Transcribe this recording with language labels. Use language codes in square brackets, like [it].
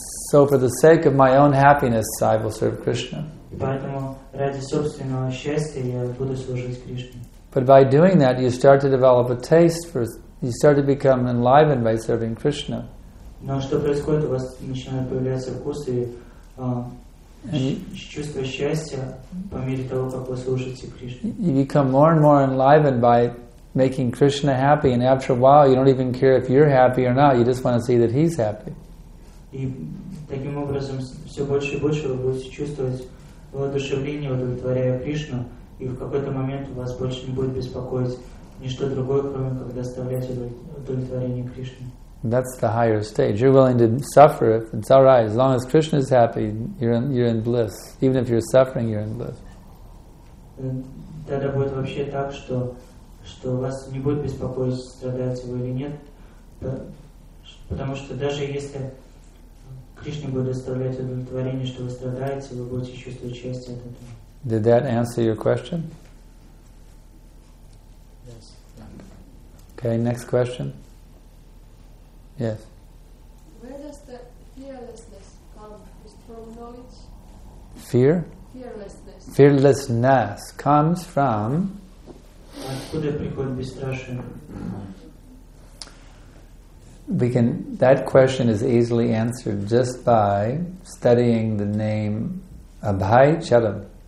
[en] So for the sake of my own happiness, I will serve Krishna. But by doing that, you start to develop a taste for You start to become enlivened by serving Krishna. [ru] Но что происходит? У вас начинает появляться вкус и чувство счастья по мере того, как вы служите Кришне. [en] You become more and more enlivened by making Krishna happy, and after a while, you don't even care if you're happy or not. You just want to see that he's happy. [ru] И таким образом все больше и больше вы будете чувствовать воодушевление, удовлетворяя Кришну, и в какой-то момент вас больше не будет беспокоить. Ничто другое, кроме как доставлять удовлетворение Кришне. [en] That's the higher stage. You're willing to suffer. It's all right. As long as Krishna is happy, you're in bliss. Even if you're suffering, you're in bliss. [ru] Тогда будет вообще так, что вас не будет беспокоить, страдаете вы или нет. Потому что даже если Кришна будет доставлять удовлетворение, что вы страдаете, вы будете чувствовать счастье от этого. [en] Did that answer your question? Okay, next question. Yes. Where does the fearlessness come? Is from knowledge? Fear? Fearlessness comes from... [ru] Откуда приходит бесстрашие? [en] That question is easily answered just by studying the name Abhay Charam.